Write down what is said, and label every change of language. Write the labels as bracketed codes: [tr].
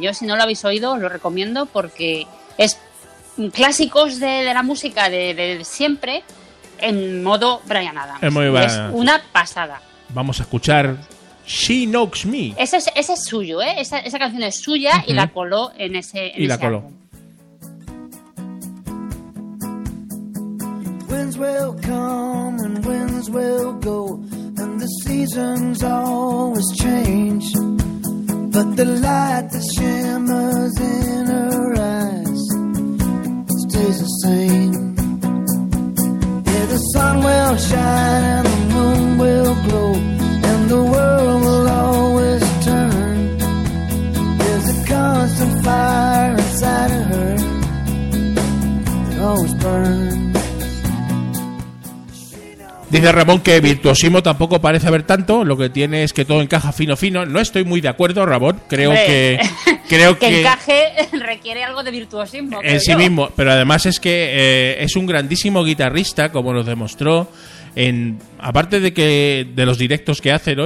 [es] Yo, si no lo habéis oído, os lo recomiendo porque es clásicos de la música de siempre en modo Bryan Adams. Es muy buena. Es una pasada. Vamos a escuchar She Knows Me. Ese es suyo, ¿eh? Esa canción es suya, uh-huh. Y la coló en ese álbum. Y la coló. [en] Winds will come and winds will go, and the seasons always change. But the light that shimmers in her eyes stays the same. Yeah, the sun will shine and the moon will glow, and the world will always turn. There's a constant fire inside of her that always burns. [es] Dice Ramón que virtuosismo tampoco parece haber tanto, lo que tiene es que todo encaja fino fino. No estoy muy de acuerdo, Ramón, creo que encaje requiere algo de virtuosismo. En sí mismo, pero además es que es un grandísimo guitarrista, como nos demostró, aparte de los directos que hace, ¿no?